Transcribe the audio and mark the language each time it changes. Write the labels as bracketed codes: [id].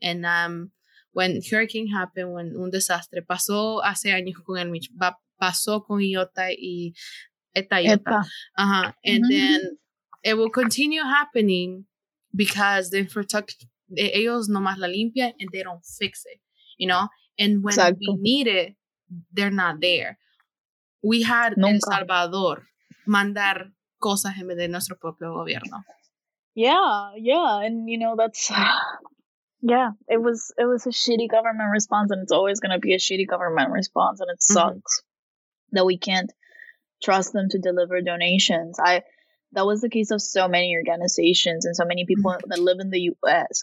[en] And when hurricane happened, when [es] un desastre pasó hace años con el Mich, pasó con Iota y Eta Iota. Uh-huh. And mm-hmm. [en] then it will continue happening. Because the infrastructure, [es] ellos nomás la limpia, [en] and they don't fix it, you know? And when we need it, they're not there. We had [es] El Salvador mandar cosas en vez de nuestro propio gobierno. [en] Yeah. And, you know, that's, it was a shitty government response, and it's always going to be a shitty government response, and it sucks that we can't trust them to deliver donations. That was the case of so many organizations and so many people mm-hmm. that live in the U.S.